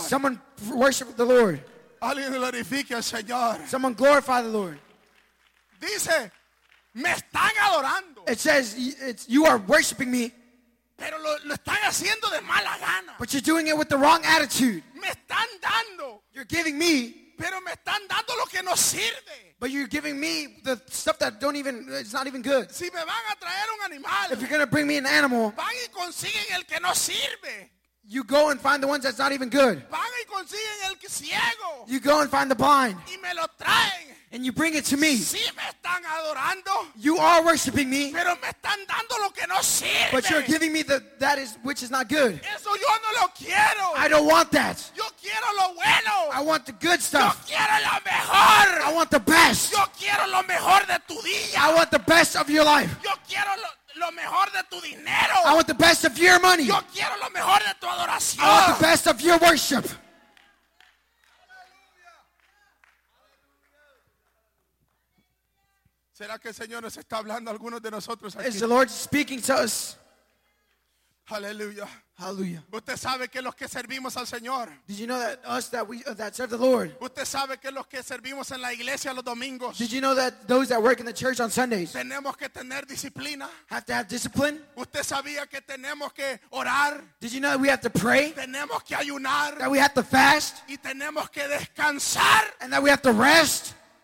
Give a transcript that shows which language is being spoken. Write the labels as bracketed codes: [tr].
[en] Someone worship the Lord. [es] Alguien glorifique al Señor. [en] Someone glorify the Lord. [es] Dice, me están adorando. [en] It says, you are worshiping me. [es] Pero lo están haciendo de mala gana. [en] But you're doing it with the wrong attitude. [es] Me están dando. [en] You're giving me. [es] Pero me están dando lo que no sirve. [en] But you're giving me the stuff that don't even, it's not even good. [es] Si me van a traer un animal, [en] if you're going to bring me an animal, [es] van y consiguen el que no sirve. [en] You go and find the ones that's not even good. [es] Van y consiguen el ciego. [en] You go and find the blind. [es] Y me lo traen. [en] And you bring it to me. [es] Sí, me están adorando. [en] You are worshiping me. [es] Pero me están dando lo que no sirve. [en] But you're giving me which is not good. [es] Eso yo no lo quiero. [en] I don't want that. [es] Yo quiero lo bueno. [en] I want the good stuff. [es] Yo quiero lo mejor. [en] I want the best. [es] Yo quiero lo mejor de tu día. [en] I want the best of your life. [es] Yo quiero lo mejor de tu dinero. [en] I want the best of your money. [es] Yo quiero lo mejor de tu adoración. [en] I want the best of your worship. [es] ¿Será que el Señor nos está hablando a algunos de nosotros aquí? [en] Is the Lord speaking to us? [es] Aleluya. [en] Hallelujah. [es] ¿Usted sabe que los que servimos al Señor? [en] Did you know that us that we that serve the Lord? [es] ¿Usted sabe que los que servimos en la iglesia los domingos? [en] Did you know that those that work in the church on Sundays? [es] Tenemos que tener disciplina. [en] Have to have discipline. [es] ¿Usted sabía que tenemos que orar? [en] Did you know that we have to pray? [es] Tenemos que ayunar. [en] That we have to fast. [es] Y tenemos que descansar. [en] And that we have to rest.